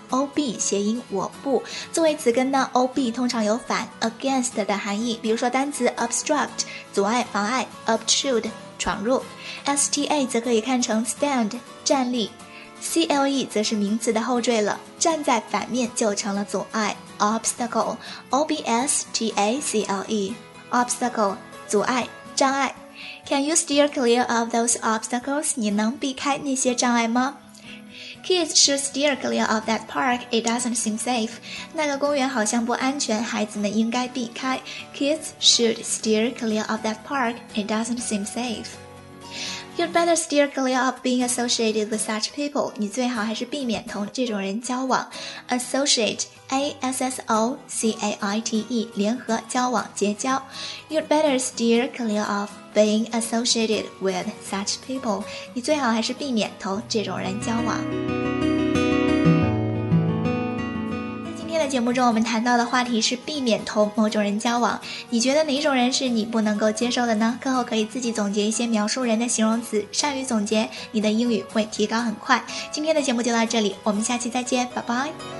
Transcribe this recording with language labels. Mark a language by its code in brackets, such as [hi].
[zh] OB 谐音我不，作为词根呢 ，OB 通常有反 against 的含义，比如说单词 obstruct 阻碍、妨碍 ，obtrude 闯入 ，sta 则可以看成 stand 站立 ，cle 则是名词的后缀了，站在反面就成了阻碍 obstacle obstacle obstacle 阻碍、障碍。 [en] Can you steer clear of those obstacles? [zh] 你能避开那些障碍吗？ [en] Kids should steer clear of that park. It doesn't seem safe. [zh] 那个公园好像不安全，孩子们应该避开。 [en] Kids should steer clear of that park. It doesn't seem safe. You'd better steer clear of being associated with such people. [zh] 你最好还是避免同这种人交往。 [en] Associate, A-S-S-O-C-A-I-T-E, 联合、交往、结交。 You'd better steer clear of being associated with such people. [zh] 你最好还是避免同这种人交往。节目中我们谈到的话题是避免同某种人交往，你觉得哪种人是你不能够接受的呢？课后可以自己总结一些描述人的形容词，善于总结，你的英语会提高很快。今天的节目就到这里，我们下期再见，拜拜。